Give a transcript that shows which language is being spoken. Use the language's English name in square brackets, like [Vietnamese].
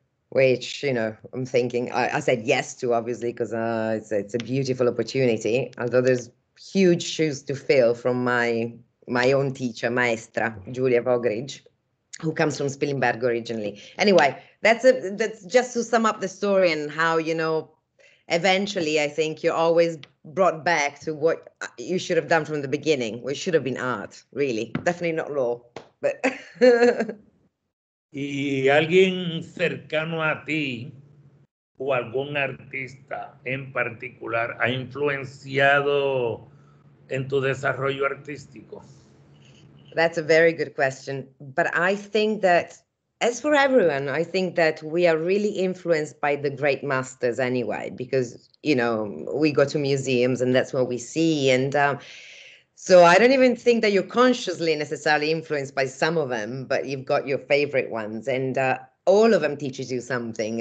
[English] Which, you know, I'm thinking, I said yes to, obviously, because it's a beautiful opportunity, although there's huge shoes to fill from my own teacher, maestra, Giulia Vogridge, who comes from Spilimbergo originally. Anyway, that's just to sum up the story and how, you know, eventually, I think you're always brought back to what you should have done from the beginning, which should have been art, really. Definitely not law, but... [Spanish] ¿Y alguien cercano a ti o algún artista en particular ha influenciado en tu desarrollo artístico? [English] That's a very good question. But I think that, as for everyone, I think that we are really influenced by the great masters anyway, because, you know, we go to museums and that's what we see. And so I don't even think that you're consciously necessarily influenced by some of them, but you've got your favorite ones, and all of them teaches you something.